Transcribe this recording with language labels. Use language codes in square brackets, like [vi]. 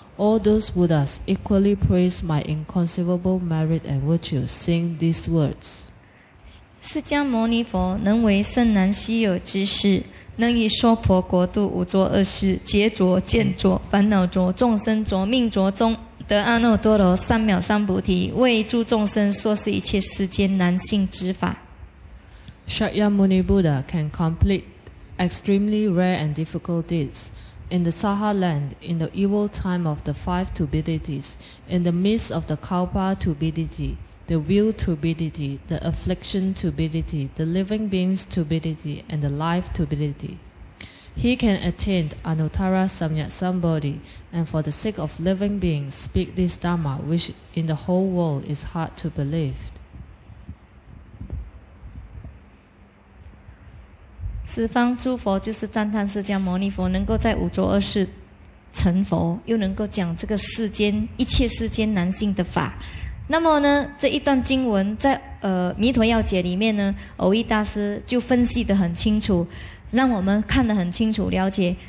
[en] All those Buddhas equally praise my inconceivable merit and virtue, sing these words. [zh] 释迦牟尼佛能为甚难稀有之事，能于娑婆国度五浊恶世，劫浊、见浊、烦恼浊、众生浊、命浊中，得阿耨多罗三藐三菩提，为诸众生说是一切世间难信之法。 [en] Shakyamuni Buddha can complete extremely rare and difficult deeds in the Saha land, in the evil time of the five turbidities, in the midst of the Kalpa turbidity, the will turbidity, the affliction turbidity, the living beings turbidity, and the life turbidity. He can attain Anuttara Samyasambodhi, and for the sake of living beings speak this Dhamma, which in the whole world is hard to believe. [zh] 十方诸佛就是赞叹释迦牟尼佛能够在五浊恶世成佛，又能够讲这个世间一切世间难信的法。那么呢，这一段经文在弥陀要解里面呢，藕益大师就分析得很清楚，让我们看得很清楚了解。